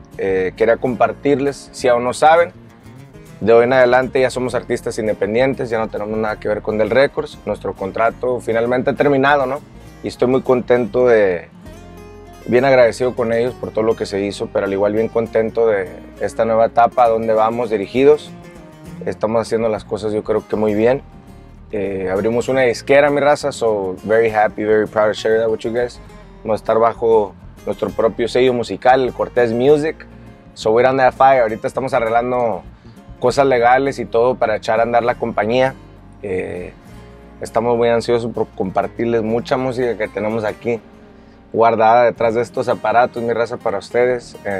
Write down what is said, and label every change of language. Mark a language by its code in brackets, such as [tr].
[es] Quería compartirles, si aún no saben, de hoy en adelante ya somos artistas independientes, ya no tenemos nada que ver con Del Records. Nuestro contrato finalmente ha terminado, ¿no? Y estoy muy contento de... bien agradecido con ellos por todo lo que se hizo, pero al igual bien contento de esta nueva etapa, a dónde vamos dirigidos. Estamos haciendo las cosas, yo creo que muy bien. Abrimos una disquera, mi raza, [en] so very happy, very proud to share that with you guys. [es] Vamos a estar bajo nuestro propio sello musical, el Cortez Music. [en] So we're on that fire. [es] Ahorita estamos arreglando cosas legales y todo para echar a andar la compañía. Estamos muy ansiosos por compartirles mucha música que tenemos aquí guardada detrás de estos aparatos, mi raza, para ustedes.